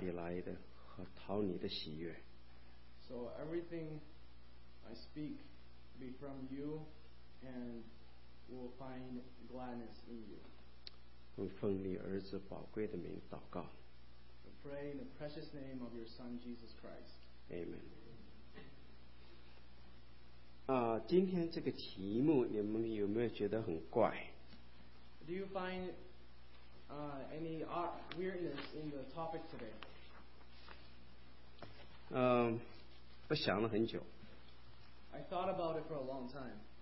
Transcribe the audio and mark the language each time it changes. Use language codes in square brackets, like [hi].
[zh] 但愿我们今天在这里所讲的都是从你那里来的和讨你的喜悦。 [en] So everything I speak be from you and will find gladness in you. [zh] 奉你儿子宝贵的名祷告。 [en] We pray in the precious name of your Son Jesus Christ. Amen. [zh] 今天这个题目你们有没有觉得很怪？ [en] Do you find any odd weirdness in the topic today? [zh] 我想了很久。 [en] I thought about it for a long time.